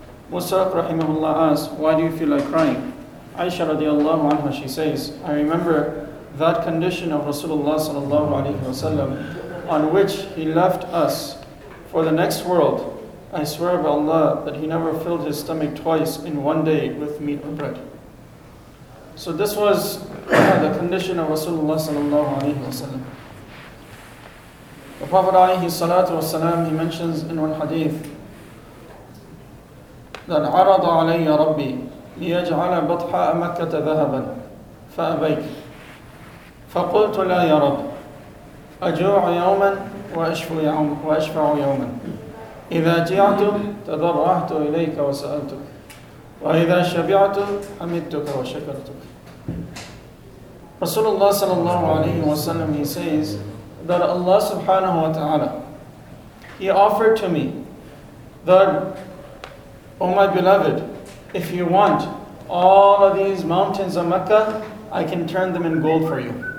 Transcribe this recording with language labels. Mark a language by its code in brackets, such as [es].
[en] Musa rahimahullah asks, why do you feel like crying? Aisha radiallahu anha, she says, I remember that condition of Rasulullah sallallahu alayhi wa sallam, on which he left us for the next world. I swear by Allah that he never filled his stomach twice in one day with meat or bread. So this was the condition of Rasulullah sallallahu alayhi wa sallam. The Prophet alayhi salatu wa sallam, he mentions in one hadith that [ar] عَرَضَ عَلَيَّ رَبِّي لِيَجْعَلَ بَطْحَاءَ مَكَّةَ ذَهَبًا فَأَبَيْكَ فَقُلْتُ لَا يَا رَبْ أَجُوعُ يَوْمًا وَأَشْفَعُ يَوْمًا إِذَا جِعْتُ تَضَرَّعْتُ إِلَيْكَ وَسَأَلْتُكَ وَإِذَا شَبِعْتُ حَمِدْتُكَ وَشَكَرْتُكَ. [en] Rasulullah sallallahu alayhi wa sallam, he says that Allah subhanahu wa ta'ala, he offered to me that, O my beloved, if you want all of these mountains of Mecca, I can turn them in gold for you.